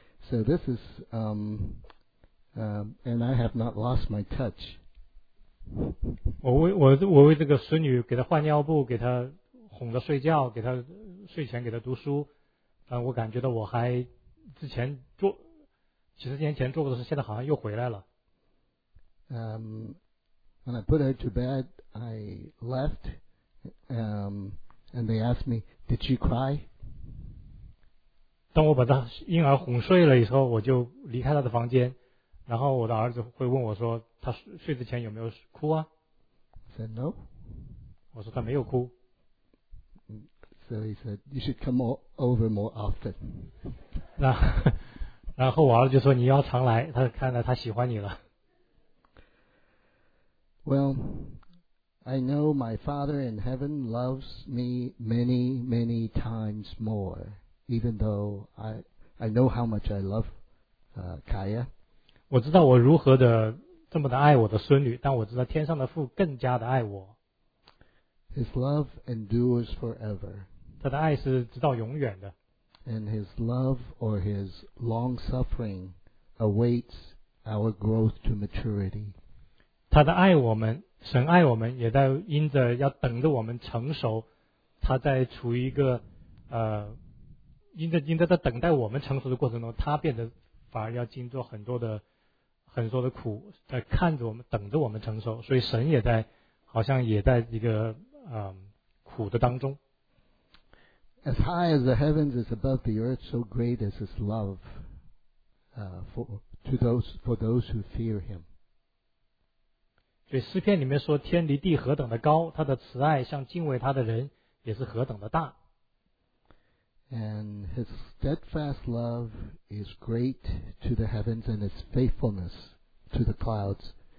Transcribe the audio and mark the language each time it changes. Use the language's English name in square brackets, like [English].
[English] So this is, and I have not lost my touch. [Chinese] 我为这个孙女给她换尿布，给她哄着睡觉，给她睡前给她读书，我感觉到我还之前做几十年前做过的事，现在好像又回来了。 [English] When I put her to bed, I left, and they asked me, "Did she cry?" [Chinese] 当我把她婴儿哄睡了以后，我就离开她的房间，然后我的儿子会问我说，她睡之前有没有哭啊 [English] ？I said no. [Chinese] 我说她没有哭。 [English] So he said, "You should come over more often." [Chinese] 然后我儿子就说你要常来，他看来他喜欢你了。 [English] Well, I know my Father in heaven loves me many, many times more, even though I know how much I love Kaya. [Chinese] 我知道我如何的这么的爱我的孙女，但我知道天上的父更加的爱我。 [English] His love endures forever. [Chinese] 他的爱是直到永远的。 [English] And his love or his long suffering awaits our growth to maturity. [Chinese] 他的爱我们，神爱我们，也在因着要等着我们成熟，他在处于一个因着在等待我们成熟的过程中，他变得反而要经过很多的苦，在看着我们，等着我们成熟，所以神也在好像也在一个苦的当中。 [English] As high as the heavens is above the earth, so great is His love for those who fear Him. [Chinese] 所以诗篇里面说，天离地何等的高，他的慈爱像敬畏他的人也是何等的大。 [English] And His steadfast love is great to the heavens, and His faithfulness to the clouds.